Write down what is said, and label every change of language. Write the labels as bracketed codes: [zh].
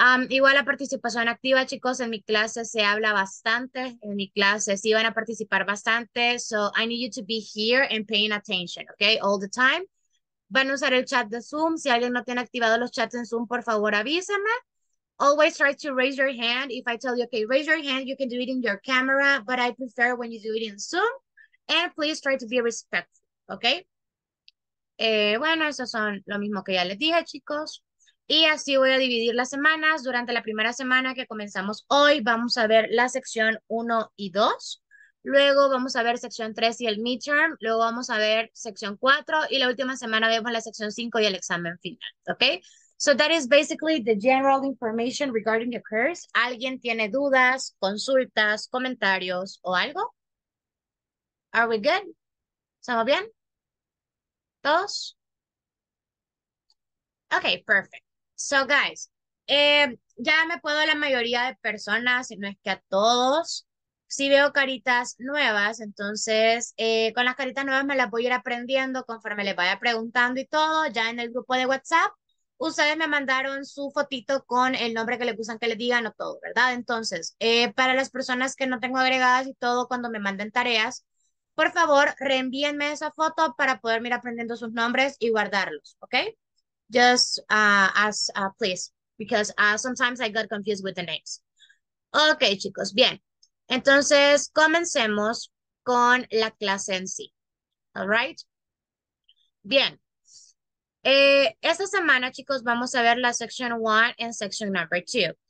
[es] Igual la participación activa, chicos, en mi clase se habla bastante, en mi clase sí van a participar bastante, [en] so I need you to be here and paying attention, okay, all the time. [es] Van a usar el chat de Zoom, si alguien no tiene activado los chats en Zoom, por favor avísame. [en] Always try to raise your hand, if I tell you, okay, raise your hand, you can do it in your camera, but I prefer when you do it in Zoom, and please try to be respectful, okay? [es] Bueno, esos son lo mismo que ya les dije, chicos. Y así voy a dividir las semanas. Durante la primera semana que comenzamos hoy, vamos a ver la sección 1 y 2. Luego vamos a ver sección 3 y el midterm. Luego vamos a ver sección 4. Y la última semana vemos la sección 5 y el examen final. [en] Okay? So that is basically the general information regarding the course. [es] ¿Alguien tiene dudas, consultas, comentarios o algo? [en] Are we good? [es] ¿Estamos bien? ¿Todos? [en] Okay, perfect. [es] So guys, ya me puedo a la mayoría de personas, si no es que a todos. Si veo caritas nuevas, entonces con las caritas nuevas me las voy a ir aprendiendo conforme les vaya preguntando y todo. Ya en el grupo de WhatsApp, ustedes me mandaron su fotito con el nombre que les gustan que les digan o todo, ¿verdad? Entonces, para las personas que no tengo agregadas y todo, cuando me manden tareas, por favor, reenvíenme esa foto para poder ir aprendiendo sus nombres y guardarlos, ¿ok? [en] Just please, because sometimes I got confused with the names. [es] Okay, chicos, bien. Entonces, comencemos con la clase en sí. [en] All right? [es] Bien. Esta semana, chicos, vamos a ver la [en] section 1 and section number 2.